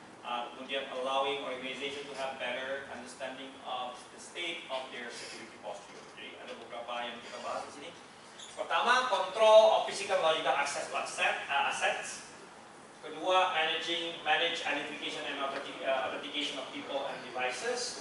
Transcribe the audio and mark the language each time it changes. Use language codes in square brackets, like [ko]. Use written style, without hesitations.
[id] Kemudian [en] allowing organization to have better understanding of the state of their security posture. [id] Jadi ada beberapa yang kita bahas di sini. Pertama, [en] control of physical and logical access to assets. [id] Kedua, [en] manage identification and authentication of people and devices.